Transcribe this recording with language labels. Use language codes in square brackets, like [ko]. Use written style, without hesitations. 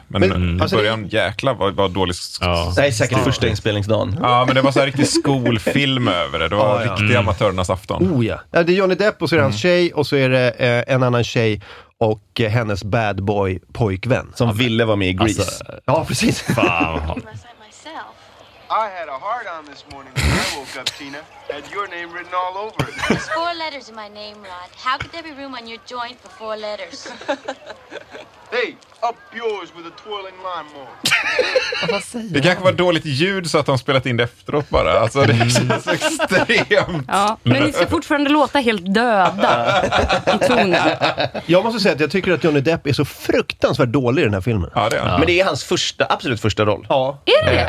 [sv] Men i början, jäkla var dålig. Det är säkert första inspelningsdagen. Ja, men det var så här riktig skolfilm över det. Det var riktig amatörernas afton. Oh ja, det är Johnny Depp och så är det hans tjej och så är det en annan tjej och hennes bad boy pojkvän som ville vara med i Grease. Alltså, ja, precis. Fan. [en] I had a hard on this morning when I woke up, Tina. Had your name written all over it. There's four letters in my name, Rod. How could there be room on your joint for four letters? Hey, up yours with a twirling lawnmower. [sv] Det kanske var dåligt ljud så att de spelat in det efteråt bara. Alltså det känns extremt. Ja, men ni ska fortfarande låta helt döda i tonen. Jag måste säga att jag tycker att Johnny Depp är så fruktansvärt dålig i den här filmen. Ja, det är. Men det är hans första, absolut första roll. Ja. Är det?